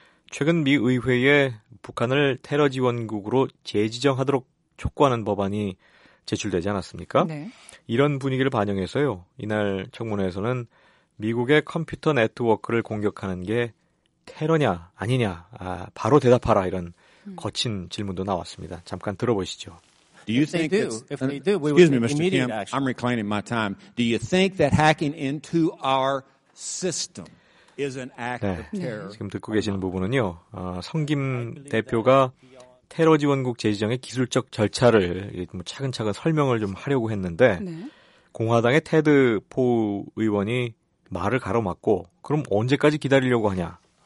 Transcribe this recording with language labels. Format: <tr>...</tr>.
<ko>최근 미 의회에 북한을 테러 지원국으로 재지정하도록 촉구하는 법안이 제출되지 않았습니까? 네. 이런 분위기를 반영해서요. 이날 청문회에서는 미국의 컴퓨터 네트워크를 공격하는 게 테러냐 아니냐 바로 대답하라 이런 거친 질문도 나왔습니다. 잠깐 들어보시죠.</ko> <en>Do you think Excuse me, Mr. Kim. I'm reclaiming my time. Do you think that hacking into our system is an act</en> <ko>네,</ko> <en>of terror?</en> <ko>지금 듣고 계시는 부분은요. 성김 대표가 테러 지원국 재지정의 기술적 절차를 차근차근 설명을 좀 하려고 했는데 네. 공화당의 테드 포 의원이 말을 가로막고 그럼 언제까지 기다리려고 하냐.</ko>